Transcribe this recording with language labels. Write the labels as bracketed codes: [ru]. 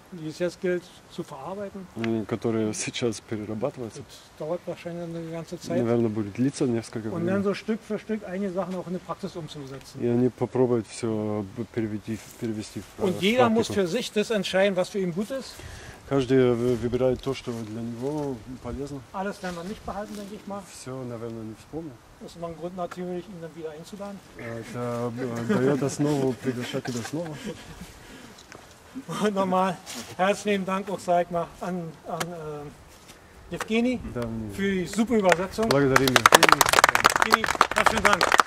[de] Die es jetzt gilt zu verarbeiten. [ru] Которые сейчас перерабатываются. [de] Dauert wahrscheinlich eine ganze Zeit. [ru] Наверное, будет длиться несколько [de] времени. Und dann so Stück für Stück einige Sachen auch in die Praxis umzusetzen. [ru] И они попробуют все перевести в практику. [de] Und jeder muss für sich das entscheiden, was für ihn gut ist. [ru] Каждый выбирает то, что для него полезно. [de] Alles werden wir nicht behalten, denke ich mal. [ru] Все, наверное, не вспомним. [de] Das war ein Grund natürlich, ihn dann wieder einzuladen. [ru] Это дает основу приглашать его снова. [de] Nochmal herzlichen Dank auch, sag ich mal, an Евгений für die super Übersetzung. [ru] Благодарим. [de] Евгений, herzlichen Dank.